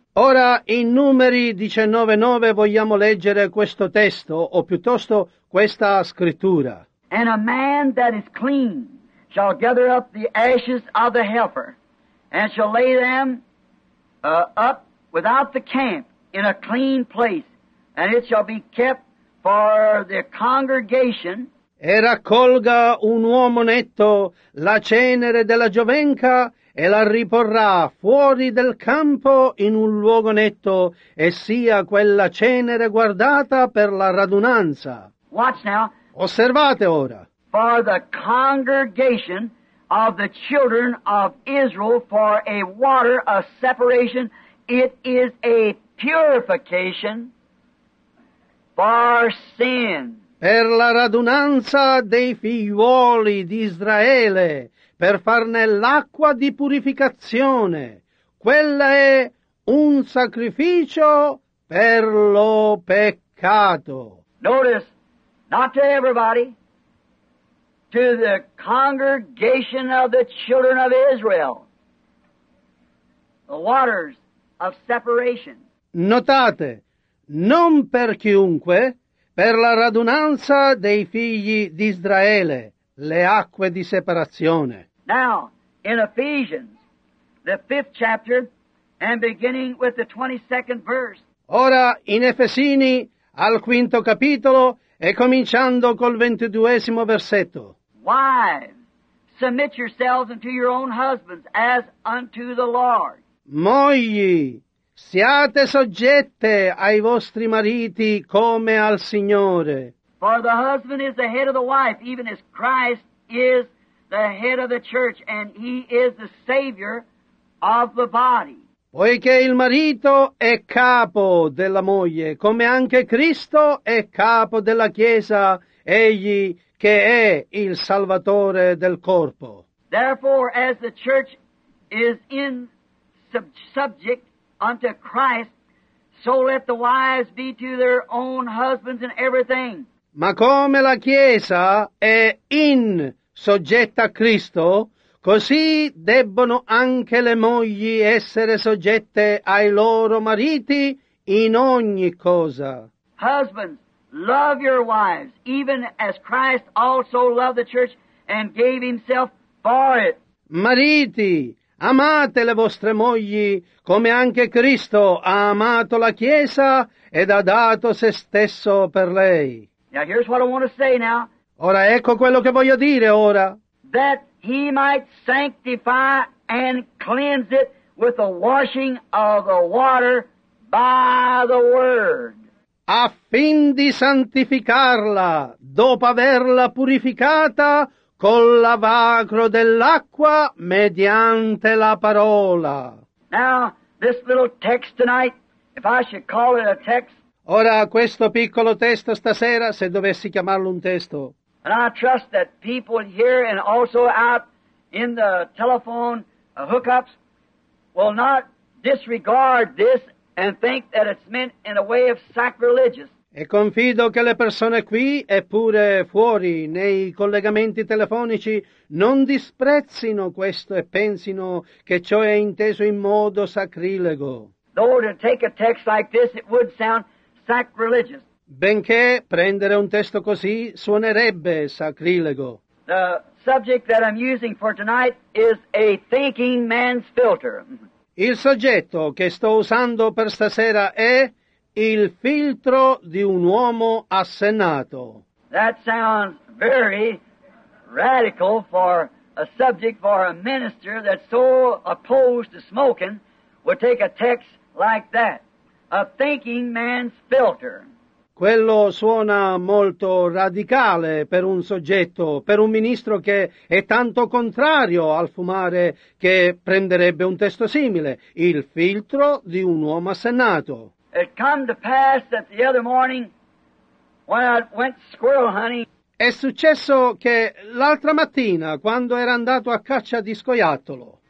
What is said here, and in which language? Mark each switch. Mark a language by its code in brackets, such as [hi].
[it] Ora, in Numeri 19:9 vogliamo leggere questo testo, o piuttosto questa scrittura. [en] And a man that is clean shall gather up the ashes of the heifer, and shall lay them up without the camp in a clean place, and it shall be kept for the congregation. [it] E raccolga un uomo netto la cenere della giovenca, e la riporrà fuori del campo in un luogo netto, e sia quella cenere guardata per la radunanza. [en] Watch now. [it] Osservate ora. [en] For the congregation of the children of Israel, for a water of separation, it is a purification for sin. [it] Per la radunanza dei figliuoli di Israele, per farne l'acqua di purificazione, quella è un sacrificio per lo peccato. [en] Notice, not to everybody, to the congregation of the children of Israel, the waters of separation. [it] Notate, non per chiunque, per la radunanza dei figli di Israele, le acque di separazione. [en] Now, in Ephesians, the fifth chapter, and beginning with the 22nd verse. [it] Ora, in Efesini, al quinto capitolo, e cominciando col 22esimo versetto. [en] Wives, submit yourselves unto your own husbands, as unto the Lord. [it] Mogli, siate soggette ai vostri mariti come al Signore. [en] For the husband is the head of the wife, even as Christ is the head of the church, and he is the Savior of the body. [it] Poiché il marito è capo della moglie, come anche Cristo è capo della Chiesa, egli che è il Salvatore del corpo. [en] Therefore, as the church is in subject unto Christ, so let the wives be to their own husbands in everything. [it] Ma come la Chiesa è in soggetta a Cristo, così debbono anche le mogli essere soggette ai loro mariti in ogni cosa. [en] Husbands, love your wives, even as Christ also loved the church and gave himself for it. [it] Mariti, amate le vostre mogli come anche Cristo ha amato la Chiesa ed ha dato se stesso per lei. [en] Now here's what I want to say now. [it] Ora ecco quello che voglio dire ora. [en] That he might sanctify and cleanse it with the washing of the water by the word. [it] A fin di santificarla, dopo averla purificata col lavacro dell'acqua mediante la parola. [en] Now, this little text tonight, if I should call it a text. [it] Ora, questo piccolo testo stasera, se dovessi chiamarlo un testo. [en] And I trust that people here and also out in the telephone hookups will not disregard this and think that it's meant in a way of sacrilegious. [it] E confido che le persone qui e pure fuori nei collegamenti telefonici non disprezzino questo e pensino che ciò è inteso in modo sacrilego. [en] Though to take a text like this, it would sound sacrilegious. [it] Benché prendere un testo così suonerebbe sacrilego. [en] The subject that I'm using for tonight is a thinking man's filter. [it] Il soggetto che sto usando per stasera è il filtro di un uomo assennato. [en] That sounds very radical for a subject for a minister that's so opposed to smoking would take a text like that. A thinking man's filter. [it] Quello suona molto radicale per un soggetto, per un ministro che è tanto contrario al fumare che prenderebbe un testo simile, il filtro di un uomo assennato. [en] It come to pass that the other morning when I went squirrel hunting. [it] È successo che l'altra mattina quando era andato a caccia di scoiattolo.